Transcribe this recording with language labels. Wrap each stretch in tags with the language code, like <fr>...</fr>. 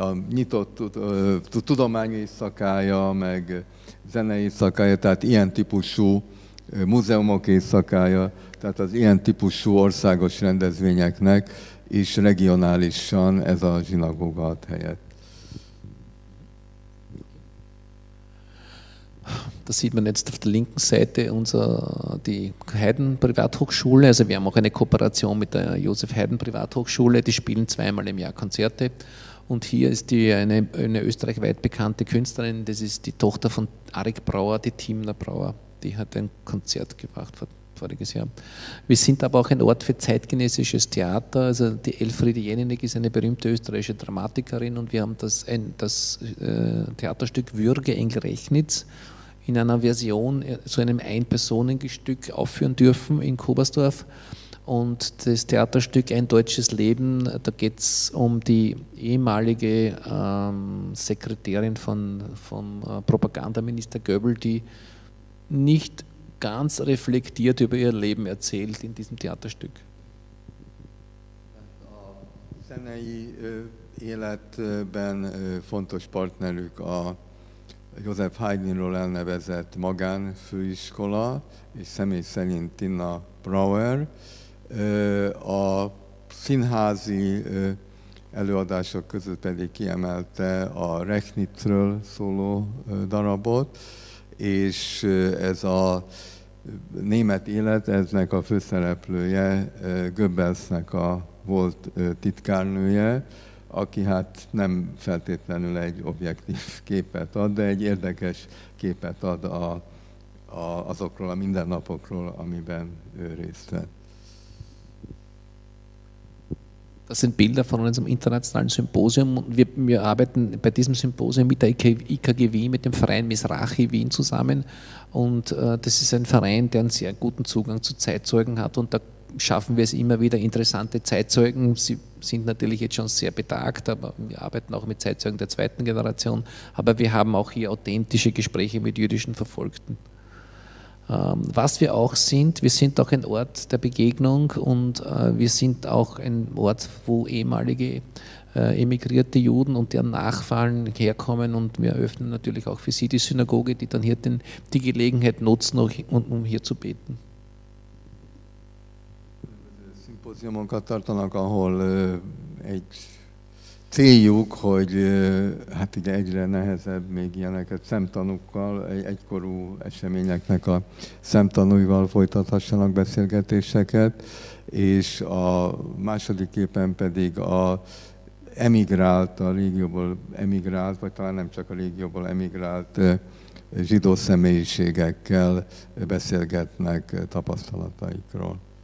<hu>nyitott tudományi szakája, meg zenei szakája, tehát ilyen típusú múzeumok éjszakája, tehát az ilyen típusú országos rendezvényeknek és regionálisan ez a zsinagóga ad helyet.</hu> <de>Das sieht man jetzt auf der linken Seite, die Haydn Privathochschule. Also wir haben auch eine Kooperation mit der Josef Haydn Privathochschule. Die spielen zweimal im Jahr Konzerte. Und hier ist eine österreichweit bekannte Künstlerin. Das ist die Tochter von Arik Brauer, die Timna Brauer. Die hat ein Konzert gemacht voriges Jahr. Wir sind aber auch ein Ort für zeitgenössisches Theater. Also die Elfriede Jeninek ist eine berühmte österreichische Dramatikerin und wir haben das Theaterstück Würge in Grechnitz in einer Version zu einem Ein-Personen-Gestück aufführen dürfen in Kobersdorf. Und das Theaterstück Ein deutsches Leben, da geht es um die ehemalige Sekretärin vom Propagandaminister Goebbels, die nicht ganz reflektiert über ihr Leben erzählt in diesem Theaterstück.</de> <hu>A zenei életben fontos partnerük a Josef Haydnról elnevezett magánfőiskola, és személy szerint Tina Brauer. A színházi előadások között pedig kiemelte a Rechnitzről szóló darabot, és ez a német élet, eznek a főszereplője Goebbelsnek a volt titkárnője, aki hát nem feltétlenül egy objektív képet ad, de egy érdekes képet ad azokról a mindennapokról, amiben ő részt vett.</hu> <de>Das sind Bilder von unserem internationalen Symposium. Wir arbeiten bei diesem Symposium mit der IKG Wien, mit dem Verein Mizrachi Wien zusammen. Und das ist ein Verein, der einen sehr guten Zugang zu Zeitzeugen hat. Und da schaffen wir es immer wieder, interessante Zeitzeugen. Sie sind natürlich jetzt schon sehr betagt, aber wir arbeiten auch mit Zeitzeugen der zweiten Generation. Aber wir haben auch hier authentische Gespräche mit jüdischen Verfolgten. Was wir auch sind, wir sind auch ein Ort der Begegnung und wir sind auch ein Ort, wo ehemalige emigrierte Juden und deren Nachfahren herkommen, und wir eröffnen natürlich auch für sie die Synagoge, die dann hier die Gelegenheit nutzen, um hier zu beten.</de> <hu>Symposiumokat tartanak, ahol egy céljuk, hogy hát ugye egyre nehezebb még ilyeneket szemtanúkkal, egykorú eseményeknek a szemtanúival folytathassanak beszélgetéseket, és a második képen pedig a régióból emigrált, vagy talán nem csak a régióból emigrált zsidó személyiségekkel beszélgetnek tapasztalataikról.</hu>